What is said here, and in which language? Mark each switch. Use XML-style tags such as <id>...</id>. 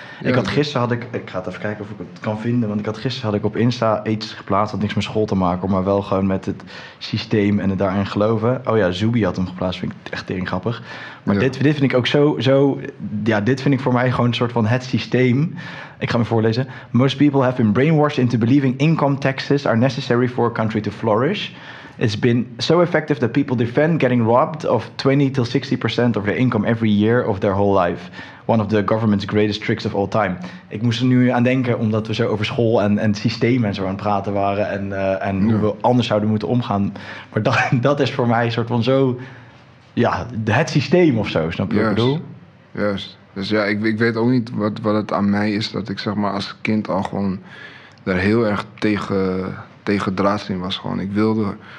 <nl>Ja, ik ga het even kijken of ik het kan vinden. Want gisteren had ik op Insta iets geplaatst. Had niks met school te maken, maar wel gewoon met het systeem en het daarin geloven. Oh ja, Zubi had hem geplaatst. Vind ik echt tering grappig. Maar dit vind ik ook zo... Ja, dit vind ik voor mij gewoon een soort van het systeem. Ik ga me voorlezen.</nl> <en>Most people have been brainwashed into believing income taxes are necessary for a country to flourish. It's been so effective that people defend getting robbed of 20-60% of their income every year of their whole life. One of the government's greatest tricks of all time.</en> <nl>Ik moest er nu aan denken, omdat we zo over school en systemen en zo aan het praten waren. En hoe we anders zouden moeten omgaan. Maar dat is voor mij een soort van zo... Ja, het systeem of zo, snap je wat ik bedoel? Juist. Dus ja, ik weet ook niet wat het aan mij is dat ik zeg maar als kind al gewoon daar heel erg tegen draad in was. Gewoon.</nl>